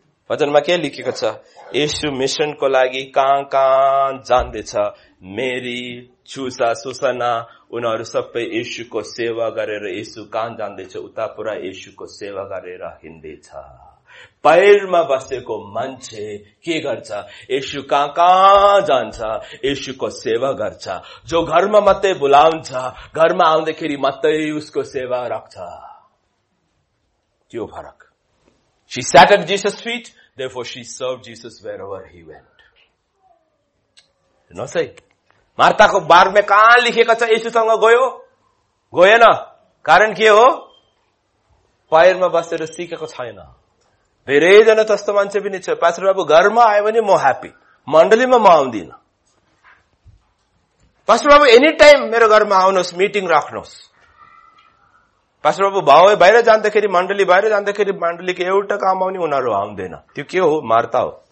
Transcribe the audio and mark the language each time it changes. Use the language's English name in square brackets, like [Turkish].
[Nepali] वचनमा के लेखेको छ, यीशु मिशनको लागि कहाँ कहाँ जाँदैछ, मेरी चुसा सुसना उनीहरू सबै यीशुको सेवा गरेर, यीशु कहाँ जाँदैछ, उता पुरा यीशुको सेवा गरेर हिँड्दैछ। पैरमा बसेको मान्छे के गर्छ, यीशु कहाँ कहाँ जान्छ, यीशुको सेवा गर्छ। जो घरमा मात्रै बोलाउँछ, घरमा आउँदाखेरि मात्रै उसको सेवा राख्छ, त्यो फरक। [English] She sat at Jesus' feet, therefore she served Jesus wherever he went. No say. [Nepali] मार्ताको बारमा कहाँ लेखेको छ, यीशुसँग गयो, गएन, कारण के हो, पैरमा बसेर सिकेको छैन। धेरैजना त्यस्तो मान्छे पनि छ, पास्टर बाबु घरमा आयो भने म ह्याप्पी, मण्डलीमा म आउँदिन, पास्टर बाबु [English] any time [Nepali] मेरो घरमा आउनुहोस्, मिटिङ राख्नुहोस्, पास्टर बाबु भाउ बाहिर जाँदाखेरि, मण्डली बाहिर जाँदाखेरि मण्डलीको एउटा काम आउने उनीहरू आउँदैन, त्यो के हो, मार्ता हो।